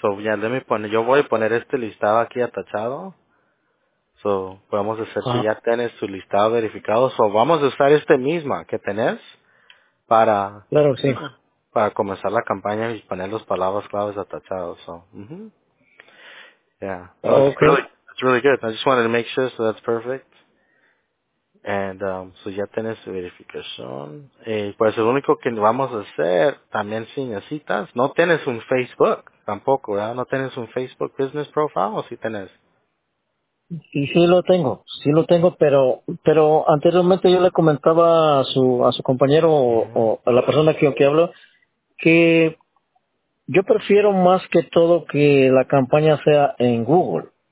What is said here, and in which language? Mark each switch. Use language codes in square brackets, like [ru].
[es] So, yeah, yo voy a poner este listado aquí atachado. So, podemos hacer que ya tienes su listado verificado. So, vamos a usar este mismo que tenés para... Claro, sí. Para comenzar la campaña y poner las palabras claves atachadas. So. [en] It's really good. I just wanted to make sure, so that's perfect. And so [es] ya tienes su verificación. Pues lo único que vamos a hacer, también si necesitas, no tienes un Facebook tampoco, ¿verdad? ¿No tienes un Facebook Business Profile o si tienes? Sí, lo tengo, pero anteriormente yo le comentaba a su compañero o a la persona que hablo, que yo prefiero más que todo que la campaña sea en Google.